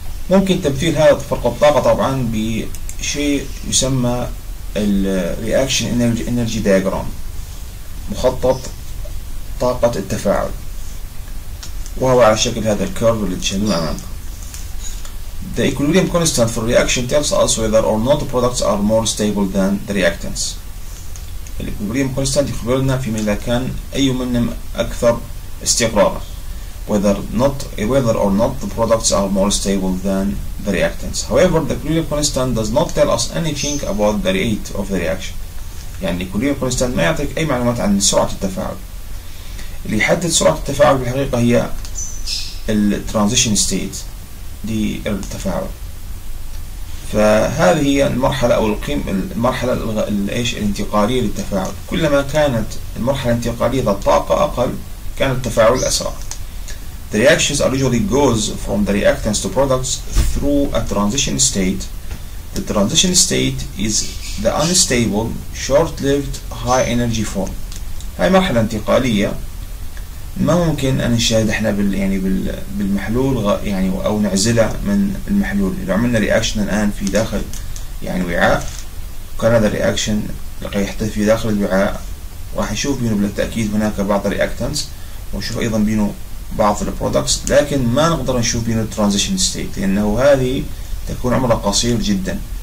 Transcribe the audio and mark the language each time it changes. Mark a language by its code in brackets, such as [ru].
[ar] ممكن تمثيل هذا فرق الطاقة طبعا بشيء يسمى الـ Reaction Energy Diagram، مخطط طاقة التفاعل، وهو على شكل هذا الكيرف اللي تشاهدونه أمامكم. [en] The equilibrium constant for reaction tells us whether or not the products are more stable than the reactants. [ar] الـ equilibrium constant يخبرنا فيما إذا كان أي منهم أكثر استقرارا. [en] Whether or not the products are more stable than the reactants. However, the equilibrium constant does not tell us anything about the rate of the reaction. [ar] يعني equilibrium constant ما يعطيك أي معلومات عن سرعة التفاعل. اللي يحدد سرعة التفاعل بالحقيقة هي ال transition state للتفاعل. فهذه هي المرحلة أو القيم المرحلة الإيش الانتقالية للتفاعل. كلما كانت المرحلة الانتقالية ذات طاقة أقل كان التفاعل أسرع. [en] The reactions originally goes from the reactants to products through a transition state. The transition state is the unstable, short-lived, high-energy form. [ar] هاي مرحلة انتقالية ما ممكن أن نشاهد إحنا بال يعني بالمحلول يعني أو نعزلها من المحلول. لو عملنا reaction الآن في داخل يعني وعاء، وكان هذا الرياكشن اللي يحدث في داخل الوعاء راح نشوف بينه بالتأكيد هناك بعض الرياكتنس، ونشوف أيضا بينه بعض البرودكتس، لكن ما نقدر نشوف بينه الترانزيشن ستيت لأنه هذه تكون عمرها قصير جدا.